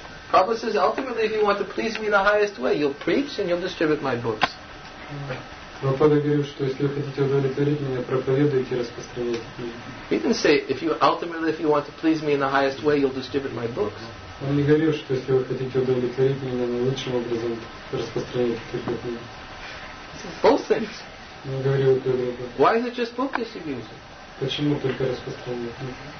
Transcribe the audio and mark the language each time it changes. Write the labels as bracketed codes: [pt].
[en] Prabhupada says, ultimately, if you want to please me in the highest way, you'll preach and you'll distribute my books. [ru] Prabhupada говорит, что если вы хотите удовлетворить меня, проповедуйте и распространяйте. [en] He didn't say, if you want to please me in the highest way, you'll distribute my books. [ru] Он не говорил, что если вы хотите удовлетворить меня наилучшим образом, распространяйте какие-то книги. [en] Both things. [ru] Он говорил, что это... [en] Why is it just book distribution? [ru] Почему только распространение книг?